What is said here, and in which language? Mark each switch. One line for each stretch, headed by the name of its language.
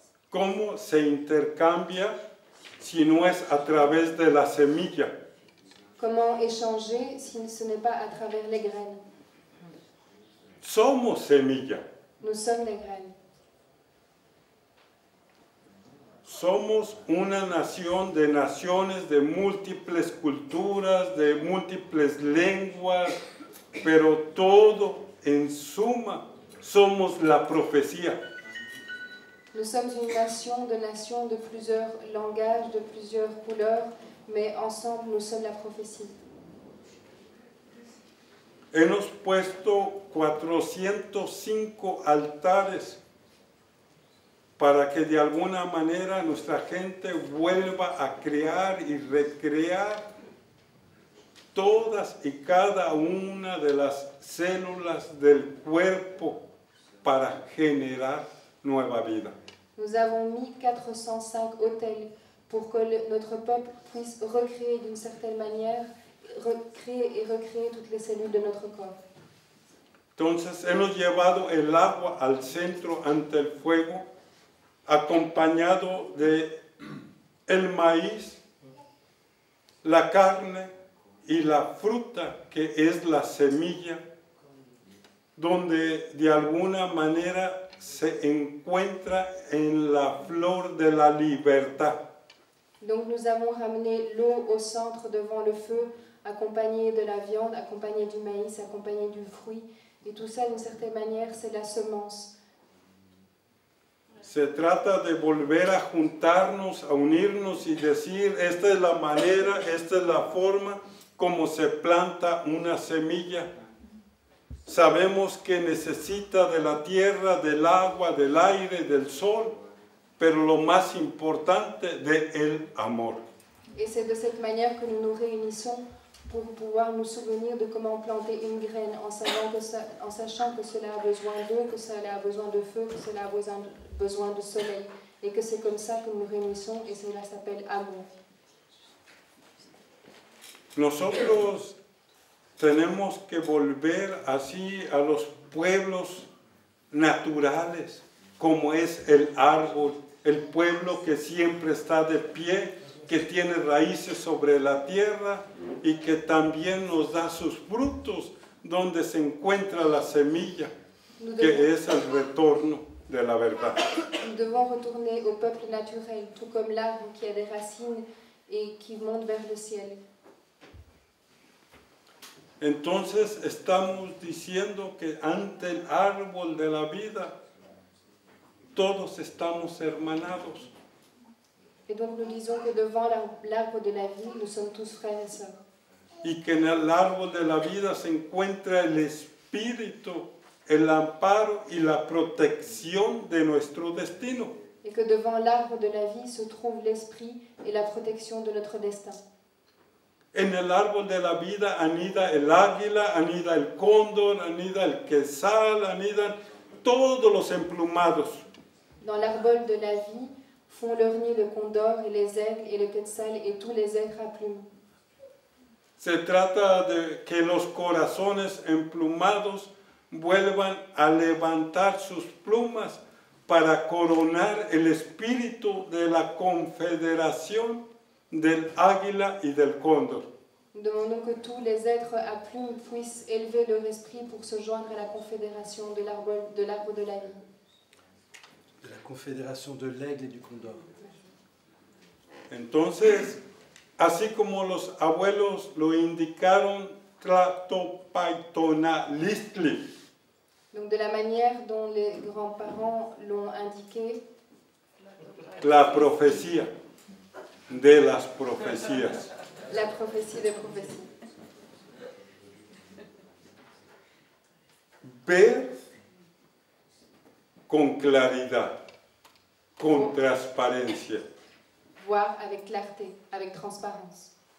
Spanish: ¿Cómo se intercambia si no es a través de la semilla?
French: Comment échanger si ce n'est pas à travers les graines?
Spanish: Somos semilla.
French: Nous sommes les graines.
Spanish: Somos una nación de naciones de múltiples culturas, de múltiples lenguas, pero todo en suma somos la profecía.
French: Nous sommes une nation de nations de plusieurs langages, de plusieurs couleurs, mais ensemble nous sommes la prophétie.
Spanish: Hemos puesto 405 altares para que de alguna manera nuestra gente vuelva a crear y recrear todas y cada una de las células del cuerpo para generar nueva vida.
French: Nous avons mis 405 autels pour que notre peuple puisse recréer d'une certaine manière, recréer et recréer toutes les cellules de notre corps.
Spanish: Entonces hemos llevado el agua al centro ante el fuego, acompañado de el maíz, la carne y la fruta, que es la semilla, donde de alguna manera se encuentra en la flor de la libertad.
French: Donc nous avons ramené l'eau au centre devant le feu, accompagné de la viande, accompagné du maïs, accompagné du fruit, et tout ça d'une certaine manière c'est la semence.
Spanish: Se trata de volver a juntarnos, a unirnos y decir, esta es la manera, esta es la forma como se planta una semilla. Sabemos que necesita de la tierra, del agua, del aire, del sol, pero lo más importante, de el amor.
French: Et c'est de cette manière que nous nous réunissons pour pouvoir nous souvenir de comment planter une graine, en sachant que cela a besoin d'eau, que cela a besoin de feu, que cela a besoin de besoin de soleil, et que c'est comme ça que nous réunissons, et cela s'appelle amour.
Spanish: Nosotros tenemos que volver así a los pueblos naturales, como es el árbol, el pueblo que siempre está de pie, que tiene raíces sobre la tierra, y que también nos da sus frutos donde se encuentra la semilla, que es el retorno de la verdad.
French: Nous devons retourner au peuple naturel, tout comme l'arbre qui a des racines et qui monte vers le ciel.
Spanish: Entonces estamos diciendo que ante el árbol de la vida todos estamos hermanados.
French: Et donc nous disons que devant l'arbre de la vie, nous sommes tous frères et sœurs.
Spanish: Y que en el árbol de la vida se encuentra el espíritu, el amparo y la protección de nuestro destino.
French: Et que devant l'arbre de la vie se trouve l'esprit et la protection de notre destin.
Spanish: En el árbol de la vida anida el águila, anida el cóndor, anida el quetzal, anidan todos los emplumados.
French: Dans l'arbre de la vie font leur nid le condor et les aigles et le quetzal et tous les aigles à plumes.
Spanish: Se trata de que los corazones emplumados vuelvan a levantar sus plumas para coronar el espíritu de la confederación del águila y del cóndor.
French: Demandons que tous les êtres à plumes puissent élever leur esprit pour se joindre à la confédération de l'arbre de la vie. De la confédération de l'aigle et du condor.
Spanish: Entonces, así como los abuelos lo indicaron, Tlatopaytonalistli.
French: Donc de la manière dont les grands-parents l'ont indiqué. La prophétie.
Spanish: De las profecías. La profecía de profecía. Ver con claridad, con transparencia.
French: Voir avec clarté, avec transparence.